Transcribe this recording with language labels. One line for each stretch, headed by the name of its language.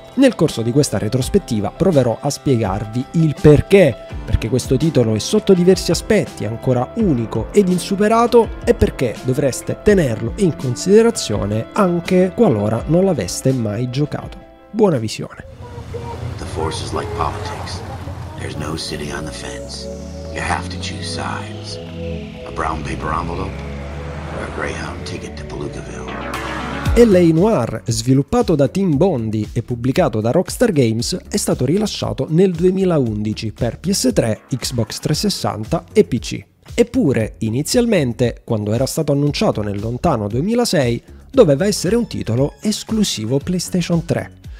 Italian: Nel corso di questa retrospettiva proverò a spiegarvi il perché questo titolo è sotto diversi aspetti ancora unico ed insuperato e perché dovreste tenerlo in considerazione anche qualora non l'aveste mai giocato. Buona visione.
English: The force is like politics. There's no city on the fence. You have to choose sides. A brown paper envelope or a Greyhound ticket to Palookaville.
Italian: LA Noire, sviluppato da Team Bondi e pubblicato da Rockstar Games, è stato rilasciato nel 2011 per PS3, Xbox 360 e PC. Eppure, inizialmente, quando era stato annunciato nel lontano 2006, doveva essere un titolo esclusivo PlayStation 3.